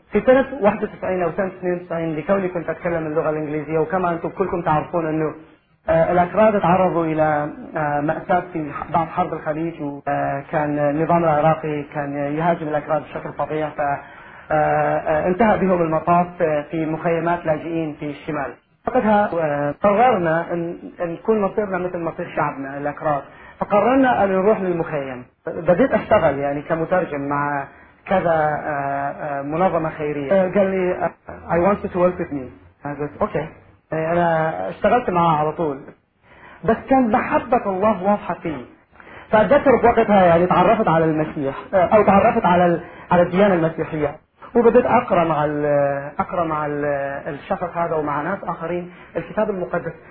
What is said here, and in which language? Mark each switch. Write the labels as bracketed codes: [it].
[ar] في سنه 91 او سنه 92، لكوني كنت اتكلم اللغه الانجليزيه، وكما انتم كلكم تعرفون انه الأكراد تعرضوا إلى مأساة في بعض حرب الخليج، وكان النظام العراقي كان يهاجم الأكراد بشكل فظيع، فانتهى بهم المطاف في مخيمات لاجئين في الشمال. وقتها قررنا أن يكون مصيرنا مثل مصير شعبنا الأكراد، فقررنا أن نروح للمخيم. بديت أشتغل يعني كمترجم مع كذا منظمة خيرية. قال لي: [en] I want you to work with me. [ar] قلت أوكي. أنا اشتغلت معها على طول، بس كان محبة الله واضحة فيه. فأتذكر وقتها يعني تعرفت على المسيح أو تعرفت على الديانة المسيحية، وبدأت أقرأ مع الشخص هذا ومع ناس آخرين الكتاب المقدس.